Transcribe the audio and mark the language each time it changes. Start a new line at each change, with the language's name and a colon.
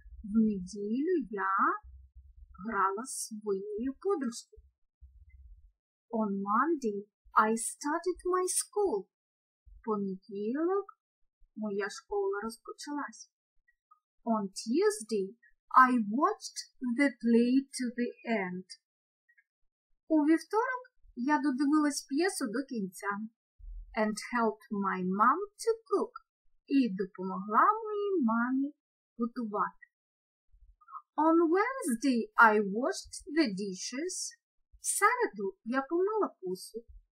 Ukrainian: В неділю я грала з своєю подружкою.
English: On Monday I started my school.
Ukrainian: Понеділок моя школа розпочалась.
English: On Tuesday I watched the play to the end.
Ukrainian: У вівторок я додивилась п'єсу до кінця.
English: And helped my mom to cook.
Ukrainian: І допомогла моїй мамі готувати.
English: On Wednesday I washed the dishes.
Ukrainian: В середу я помила посуд.